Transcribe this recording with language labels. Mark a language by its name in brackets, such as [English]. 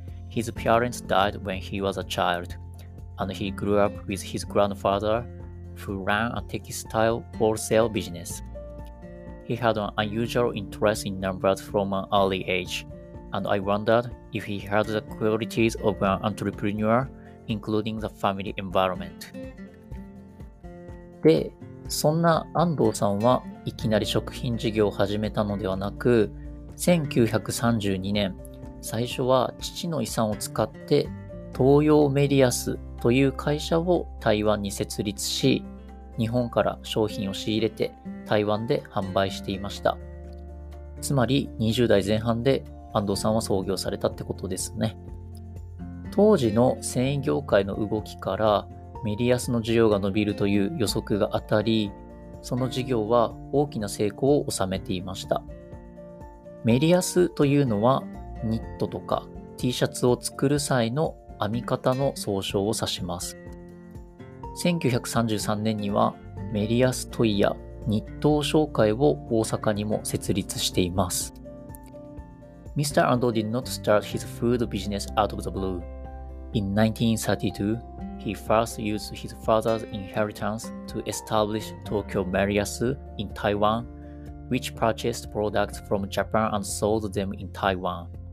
[English] His parents died when he was a child. And he grew up with his grandfather, who ran a textile wholesale business. He had an unusual interest in numbers from an early age, and I wondered if he had the qualities of an entrepreneur, including the family environment. [Japanese] で、そんな安藤さんはいきなり食品事業を始めたのではなく、1932年、最初は父の遺産を使って東洋メディアスという会社を台湾に設立し、日本から商品を仕入れて台湾で販売していました。つまり20代前半で安藤さんは創業されたってことですね。当時の繊維業界の動きからメディアスの需要が伸びるという予測が当たり、その事業は大きな成功を収めていました。メディアスというのはニットとか T シャツを作る際の編み方の総称を指します。 1933年にはメディアス問屋日東商会を大阪にも設立しています。 [English] Mr. Ando did not start his food business out of the blue. In 1932, he first used his father's inheritance to establish Tokyo Marias in Taiwan, which purchased products from Japan and sold them in Taiwan.